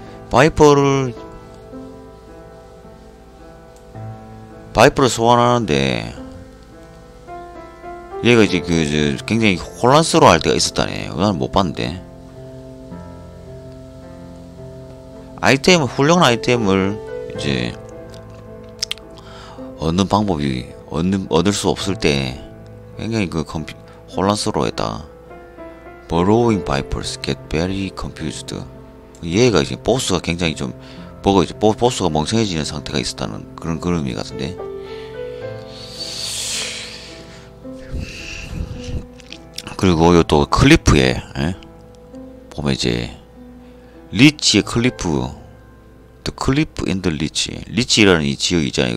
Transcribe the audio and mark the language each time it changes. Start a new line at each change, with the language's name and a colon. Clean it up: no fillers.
Korean: 바이퍼를 소환하는데 얘가 이제 그 굉장히 혼란스러워 할 때가 있었다네. 나는 못 봤는데. 아이템, 훌륭한 아이템을 이제 얻는 방법이 얻을 수 없을 때 굉장히 그 혼란스러워했다.
English: Borrowing Vipers get very confused.
Korean: 얘가 이제 보스가 굉장히 좀 버거 이제 보스가 멍청해지는 상태가 있었다는 그런 의미 같은데. 그리고 요 또 클리프에 에? 보면 이제 리치의 클리프, 또 클리프 인더 리치, 리치라는 이 지역이 있잖아요.